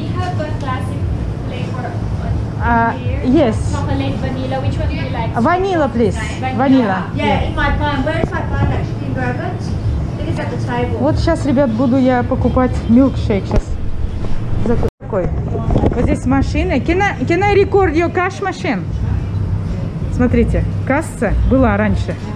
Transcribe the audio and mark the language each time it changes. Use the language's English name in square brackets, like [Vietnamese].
[English] We have a classic flavor here. Yes. Chocolate vanilla. Which one do you like? Vanilla, please. Okay. Vanilla. Yeah. In my palm. Where is my palm actually? In garbage. [Russian] Вот сейчас, ребят, буду я покупать милкшейк сейчас. Такой. Вот здесь машины. [English] Can I record your cash machine? [Russian] Смотрите, касса была раньше.